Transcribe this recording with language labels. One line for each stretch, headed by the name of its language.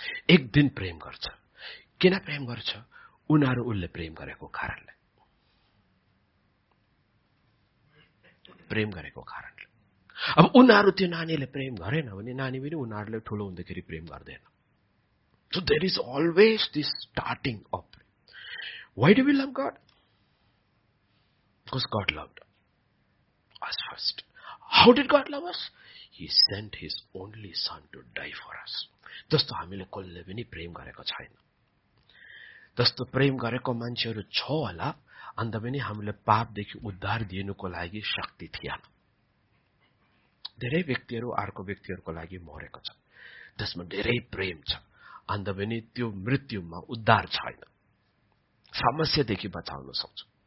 Nepali: एक दिन प्रेम गर्छ, किन प्रेम गर्छ? उनीहरू उसले प्रेम गरेको कारणले, प्रेम गरेको कारण। अब उनीहरू त्यो नानीले प्रेम गरेन भने नानी पनि उनीहरूले ठुलो हुँदाखेरि प्रेम गर्दैन।
English: So there is always this starting of why do we love God, because God loved us first. How did God love us? He sent his only son to die for us.
Nepali: जस्तो हामीले कसले पनि प्रेम गरेको छैन, जस्तो प्रेम गरेको मान्छेहरू छ होला, अन्त पनि हामीले पापदेखि उद्धार दिनुको लागि शक्ति थिएन। धेरै व्यक्तिहरू अर्को व्यक्तिहरूको लागि मरेको छ, त्यसमा धेरै प्रेम छ, अन्त पनि त्यो मृत्युमा उद्धार छैन, समस्यादेखि बचाउन सक्छ।